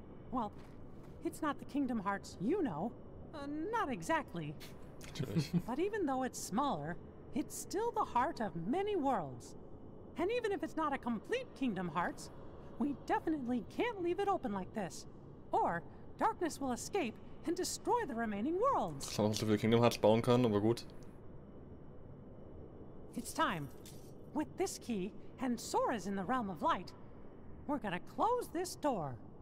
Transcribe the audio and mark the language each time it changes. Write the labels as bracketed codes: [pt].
[en] Well, it's not the Kingdom Hearts you know. Not exactly. But even though it's smaller, it's still the heart of many worlds. And even if it's not a complete Kingdom Hearts, we definitely can't leave it open like this. Or darkness will escape and destroy the remaining worlds. [de] Ich weiß nicht, ob wir Kingdom Hearts bauen können, aber gut. [en] It's time. With this key, and Sora's in the realm of light, we're gonna close this door.